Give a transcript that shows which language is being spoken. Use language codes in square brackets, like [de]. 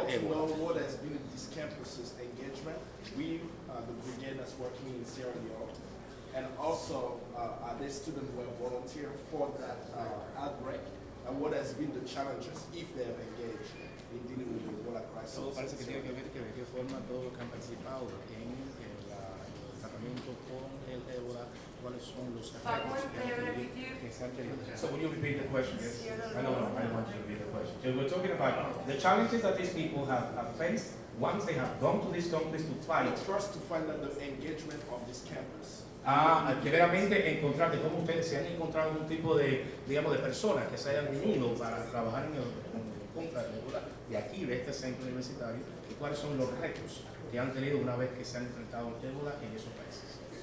[en] I want to know what has been in this campus's engagement with the brigade that's working in Sierra Leone. And also, are there students who have volunteered for that outbreak? And what has been the challenges if they have engaged in dealing with the Ebola crisis? [es] Todo parece que tiene que ver que de qué forma todos han participado en el tratamiento con el Ebola. ¿Cuáles son los efectos que se han tenido? [en] So will you repeat the question? Yes. I don't want you to repeat the question. So we're talking about the challenges that these people have faced once they have gone to this conference to fight. First, to find out the engagement of this campus. [es] Primeramente encontrar de cómo ustedes se han encontrado algún tipo de, digamos, de personas que se hayan unido para trabajar en contra de Ebola de aquí, de este centro universitario, y cuáles son los retos que han tenido una vez que se han enfrentado a Ebola en esos países.